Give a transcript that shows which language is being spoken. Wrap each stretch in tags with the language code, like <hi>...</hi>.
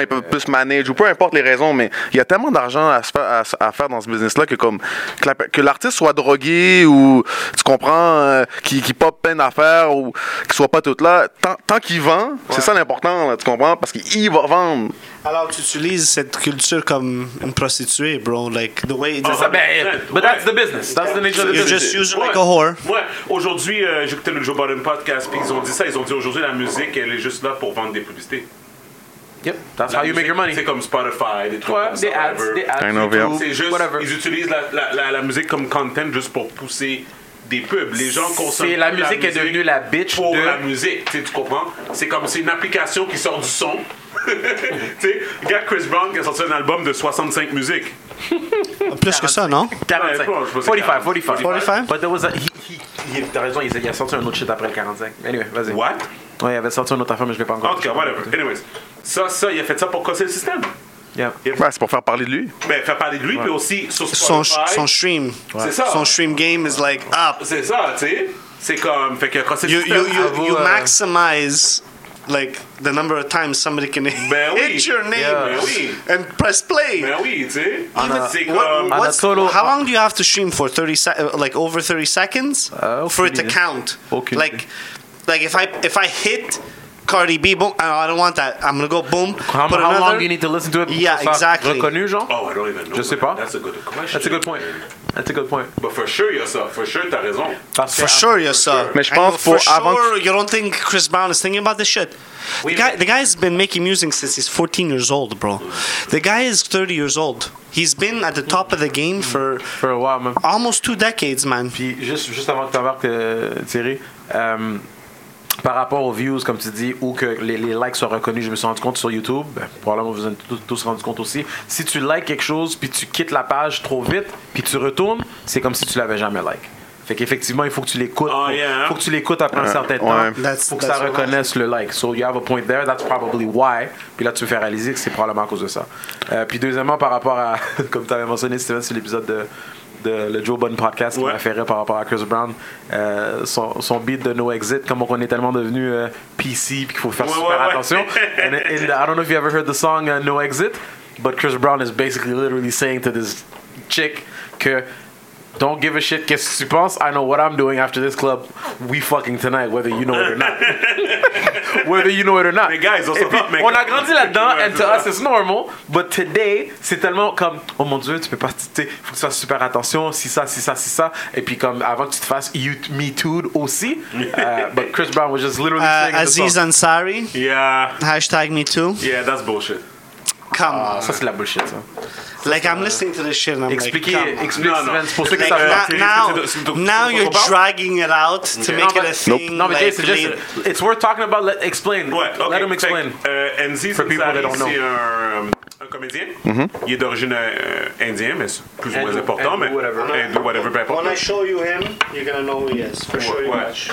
<fr>Ils peuvent plus manager ou peu importe les raisons, mais il y a tellement d'argent à faire dans ce business-là que comme que l'artiste soit drogué ou tu comprends qui pas peine à faire ou qui soit pas tout là, tant qu'il vend, c'est ça l'important là, tu comprends, parce qu'il va vendre. Alors tu utilises cette culture comme une prostituée, bro,</fr> <en>like the way that's that's the business, that's the nature of the business. You just use it like a whore.</en> <fr>Ouais, aujourd'hui j'écoutais le Joe Biden podcast, puis ils ont dit ça, ils ont dit aujourd'hui la musique elle est juste là pour vendre des publicités.</fr> <en>Yep, that's how you make your money.</en> <fr>C'est comme Spotify, des trucs comme ça, des ads,</fr> <en>whatever.</en> <fr>Des ads,</fr> <en>I know,</en> <fr>c'est juste, whatever. Ils utilisent la musique comme content juste pour pousser des pubs. Les gens consomment. C'est la musique qui est devenue la bitch pour de... la musique. T'sais, tu comprends? C'est comme c'est une application qui sort du son. Tu sais, regarde Chris Brown qui a sorti un album de 65 musiques. Plus que ça, non? 45. T'as raison, il a sorti un autre shit après le 45. Anyway, vas-y.</fr> <en>What?</en> <fr>Ouais, il avait sorti une autre affaire, mais je l'ai pas encore.</fr> <en>Ok, whatever. Anyways.</en> <fr>Ça, il a fait ça pour casser le système.</fr> <en>Yeah.</en> <fr>Ouais, c'est pour faire parler de lui. Mais faire parler de lui, puis aussi sur Spotify. Son stream. Ouais. C'est ça.</fr> <en>Son stream game is like up.</en> <fr>C'est ça, tu sais. C'est comme, fait qu'il a cassé le système.</fr> <en>You maximize like the number of times somebody can hit your name and press play.</en> <fr>Ben oui, tu sais.</fr> <en>How long do you have to stream for? 30 like over 30 seconds for it to count? Okay. Like if I hit Cardi B, boom. I don't want that. I'm gonna go boom. How long do you need to listen to it? Yeah, exactly.</en> <fr>Reconnu, genre?</fr> <en>Oh, I don't even know.</en> <fr>Je sais pas.</fr> <en>That's a good question. That's a good point. That's a good point. But for sure,</en> <fr>y'a ça.</fr> <en>For sure,</en> <fr>t'as raison.</fr> <en>For sure,</en> <fr>y'a ça. Mais je pense pour avant.</fr> <en>For sure, you don't think Chris Brown is thinking about this shit? The guy's been making music since he's 14 years old, bro. The guy is 30 years old. He's been at the top of the game for a while, man. Almost two decades, man.</en> <fr>Puis juste avant que t'embarques, Thierry, par rapport aux views, comme tu dis, ou que les likes soient reconnus, je me suis rendu compte sur YouTube, probablement vous êtes tous rendu compte aussi, si tu likes quelque chose, puis tu quittes la page trop vite, puis tu retournes, c'est comme si tu l'avais jamais like. Fait qu'effectivement, il faut que tu l'écoutes. Faut que tu l'écoutes après un certain temps. Faut que ça reconnaisse le like.</fr> <en>So you have a point there, that's probably why.</en> <fr>Puis là, tu me fais réaliser que c'est probablement à cause de ça. Puis deuxièmement, par rapport à, comme tu avais mentionné, Steven, c'est l'épisode de le Joe Budden podcast qui m'a fait rire par rapport à Chris Brown, son beat de No Exit, comme on est tellement devenu PC puis qu'il faut faire attention.</fr> <en>And I don't know if you ever heard the song No Exit, but Chris Brown is basically literally saying to this chick</en> <fr>que</fr> <en>don't give a shit</en> <fr>qu'est-ce que tu penses,</fr> <en>I know what I'm doing after this club, we fucking tonight whether you know it or not. Whether you know it or not.</en> <fr>Mais guys, et puis, on a grandi là-dedans,</fr> <en>and to us it's normal, but today</en> <fr>c'est tellement comme oh mon dieu, tu peux pas, tu sais, faut que tu fasses super attention, si ça, si ça, si ça, et puis comme avant que tu te fasses</fr> <en>you me too</en> <fr>aussi.</fr> <en>But Chris Brown was just literally saying Aziz Ansari, yeah, hashtag me too, yeah, that's bullshit. Come on,</en> <fr>ça c'est la bullshit, ça.</fr> <en>Like I'm listening to this shit and I'm</en> <fr>explique,</fr> <en>like,</en> <fr>explique,</fr> <en>come on.</en> <fr>Explique,</fr> <en>no. Now you're dragging it out to make it a thing. Nope. No, but Jason, like, it's worth talking about. Explain. What? Okay. Let him explain. For people that don't know.</en> <fr>Un comédien, il est d'origine indien, mais c'est plus ou moins important, mais</fr> <en>whatever,</en> <fr>peu importe.</fr> <en>When I show you him, you're gonna know who he is, for sure you watch.</en>